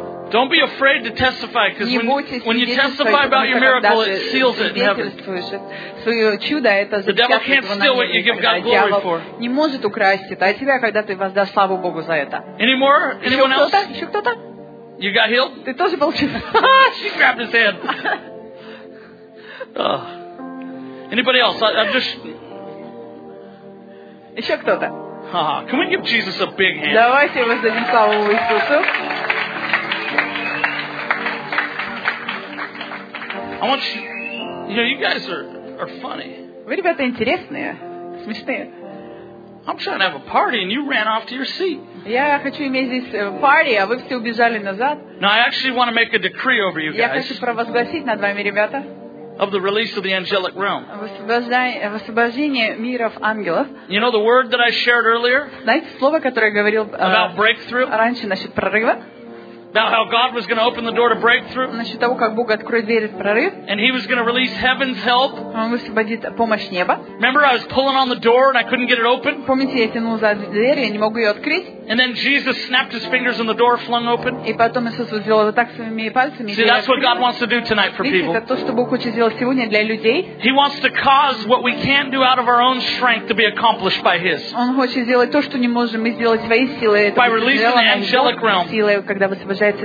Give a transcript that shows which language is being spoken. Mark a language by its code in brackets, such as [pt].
[en] Don't be afraid to testify, because when you testify about your miracle, it seals it in heaven. The devil can't steal what you give God glory for. [ru] Не может украсть это от тебя, когда ты воздашь славу Богу за это. [en] Any more? Anyone else? [ru] Еще кто-то? [en] You got healed? [ru] Ты тоже получил. [en] She grabbed his hand. Anybody else? I'm just. [ru] Еще кто-то? [en] Can we give Jesus a big hand? [ru] Давайте воздадим славу Иисусу. [en] I want you. You know, you guys are funny. [ru] Вы ребята интересные, смешные. [en] I'm trying to have a party, and you ran off to your seat. [ru] Я хочу иметь здесь party, а вы все убежали назад. [en] Now I actually want to make a decree over you guys. [ru] Я хочу провозгласить над вами, ребята. [en] Of the release of the angelic realm. [ru] Освобождение миров ангелов. [en] You know the word that I shared earlier? [ru] Знаете слово, которое я говорил [en] about breakthrough? [ru] Раньше насчет прорыва. [en] About how God was going to open the door to breakthrough. [ru] Насчет того, как Бог откроет дверь в прорыв. [en] And He was going to release heaven's help. [ru] Он высвободит помощь неба. [en] Remember, I was pulling on the door and I couldn't get it open. [ru] Помните, я тянул за дверь, я не могу ее открыть. [en] And then Jesus snapped His fingers and the door flung open. [ru] И потом Иисус сделал так своими пальцами. [en] See, that's what God wants to do tonight for people. [ru] Видите, это то, что Бог хочет сделать сегодня для людей. [en] He wants to cause what we can't do out of our own strength to be accomplished by His. [ru] Он хочет сделать то, что не можем мы сделать своей силой. [en] By releasing the angelic realm. [ru] Силой, когда высвобождается.